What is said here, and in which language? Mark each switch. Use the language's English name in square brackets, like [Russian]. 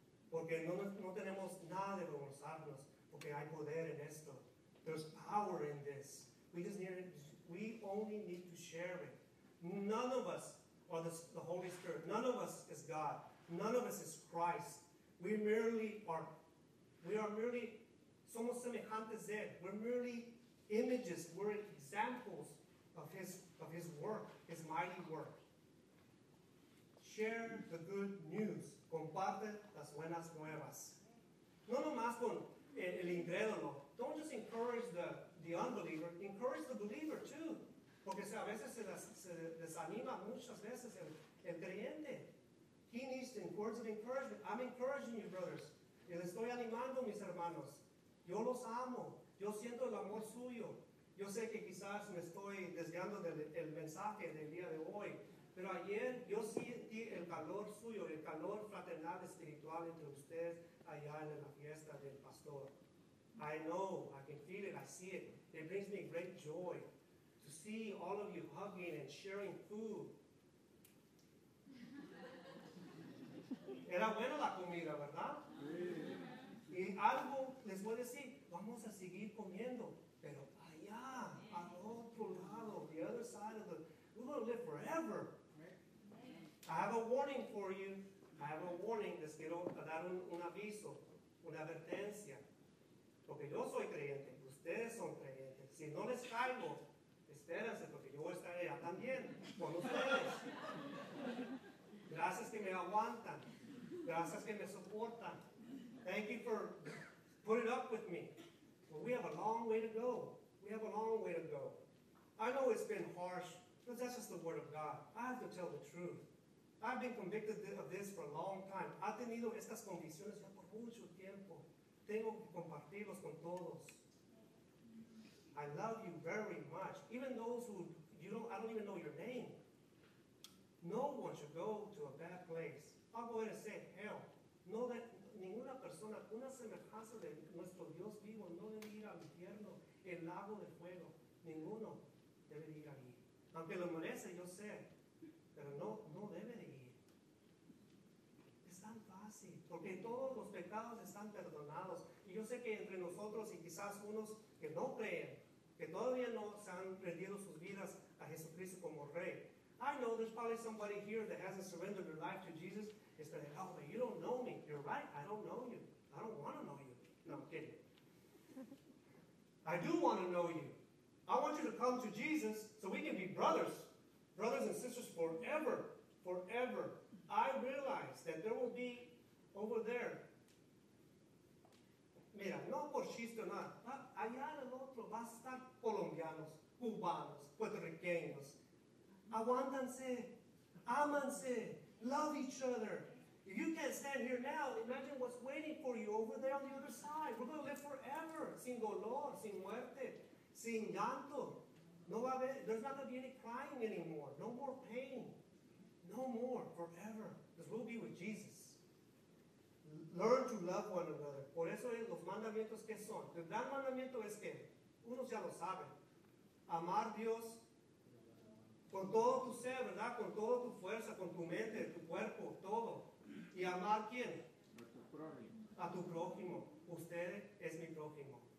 [Spanish] Porque no tenemos nada de avergonzarnos, porque hay poder en esto. [English] There's power in this. We just need it. We only need to share it. None of us are the Holy Spirit. None of us is God. None of us is Christ. We are merely [Spanish] somos semejantes de él. [English] We're merely images. We're examples of his work, his mighty work. Share the good news. [Spanish] Comparte las buenas nuevas. No nomás con el incrédulo. [English] Don't just encourage the unbeliever. Encourage the believer too. [Spanish] Porque a veces se desanima muchas veces el creyente. [English] He needs the words of encouragement. I'm encouraging you, brothers. [Spanish] Yo les estoy animando, mis hermanos. Yo los amo. Yo siento el amor suyo. Yo sé que quizás me estoy desviando del mensaje del día de hoy. Pero ayer yo sentí el calor suyo, el calor fraternal espiritual entre ustedes allá en la fiesta del pastor. [English] I know, I can feel it, I see it. It brings me great joy to see all of you hugging and sharing food. [Spanish] Era bueno la comida, ¿verdad? Sí. Y algo les voy a decir, vamos a seguir comiendo, pero allá, al otro lado, [English] the other side of the... We're going to live forever. I have a warning for you. I have a warning. Les quiero dar un aviso, una advertencia. Porque yo soy creyente, ustedes son creyentes. Si no les caigo, espérense, porque yo estaré allá también con ustedes. Gracias que me aguantan. Gracias que me soportan. Thank you for putting up with me. But we have a long way to go. We have a long way to go. I know it's been harsh, but that's just the word of God. I have to tell the truth. I've been convicted of this for a long time. [Spanish] Ha tenido estas convicciones ya por mucho tiempo. Tengo que compartirlos con todos. [English] I love you very much. Even those who, I don't even know your name. No one should go to a bad place. I'll go ahead and say hell. No, that [Spanish] ninguna persona, una semejanza de nuestro Dios vivo, no debe ir al infierno, el lago de fuego. Ninguno debe ir ahí. Aunque lo merece, yo sé. Pero no debe de ir. Es tan fácil. Porque todos los pecados están perdonados. Y yo sé que entre nosotros y quizás unos que no creen, que todavía no se han rendido sus vidas a Jesucristo como Rey. [English] I know there's probably somebody here that hasn't surrendered their life to Jesus. It's like, oh, but you don't know me. You're right. I don't know you. I don't want to know you. No, I'm kidding. I do want to know you. I want you to come to Jesus so we can be brothers. Brothers and sisters forever, forever. I realize that there will be over there. [Spanish] Mira, no por chiste o nada. Allá en el otro va a estar colombianos, cubanos, puertorriqueños. Aguántanse, amanse, [English] love each other. If you can't stand here now, imagine what's waiting for you over there on the other side. We're going to live forever, [Spanish] sin dolor, sin muerte, sin llanto. No va a haber, [English] there's not going to be any crying anymore. No more pain. No more. Forever. Because we'll be with Jesus. Learn to love one another. [Spanish] Por eso es los mandamientos que son. El gran mandamiento es que, unos ya lo saben, amar Dios con todo tu ser, ¿verdad? Con toda tu fuerza, con tu mente, tu cuerpo, todo. ¿Y amar quién? A tu prójimo. A tu prójimo. Usted es mi prójimo.